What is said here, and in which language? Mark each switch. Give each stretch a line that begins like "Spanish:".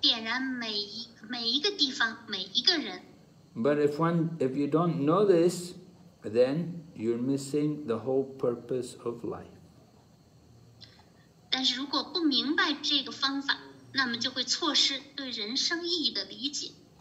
Chinese: 那么这门奉爱服务的科学将会点燃每一个地方每一个人。
English: But if you don't know this, then you're missing the whole purpose of life.
Chinese: 但是如果不明白这个方法, 那么就会错失对人生意义的理解。